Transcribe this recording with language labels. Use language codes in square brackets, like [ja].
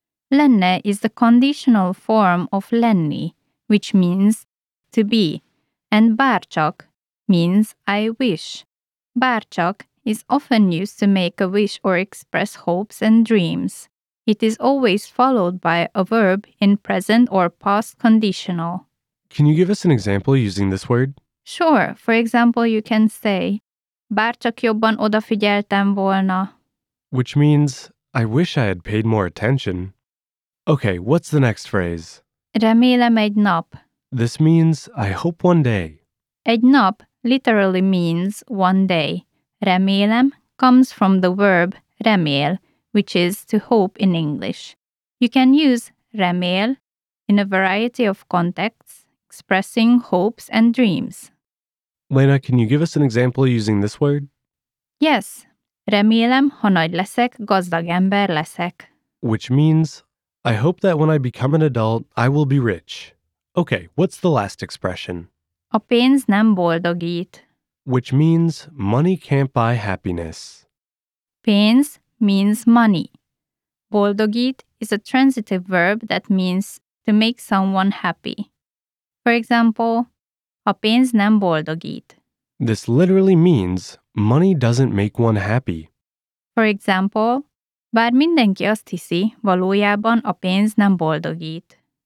[en] Lenne is the conditional form of lenni, which means to be, and bárcsak means I wish. Bárcsak is often used to make a wish or express hopes and dreams. It is always followed by a verb in present or past conditional. Can you give us an example using this word? Sure. For example, you can say [hu] bárcsak jobban odafigyeltem volna. [en] Which means, I wish I had paid more attention. Okay, what's the next phrase? [hu] Remélem egy nap. [en] This means, I hope one day. Egy nap literally means one day. Remélem comes from the verb remél, which is to hope in English. You can use remél in a variety of contexts, expressing hopes and dreams. Lena, can you give us an example using this word? Yes. [hu] Remélem, ha nagy leszek, gazdag ember leszek. [en] Which means, I hope that when I become an adult, I will be rich. Okay, what's the last expression? [hu] A pénz nem boldogít. [en] Which means, money can't buy happiness. Pénz means money. Boldogít is a transitive verb that means to make someone happy. For example, [hu] a pénz nem boldogít. [en] This literally means money doesn't make one happy. For example, [hu] bár mindenki azt hiszi, valójában a pénz nem boldogít.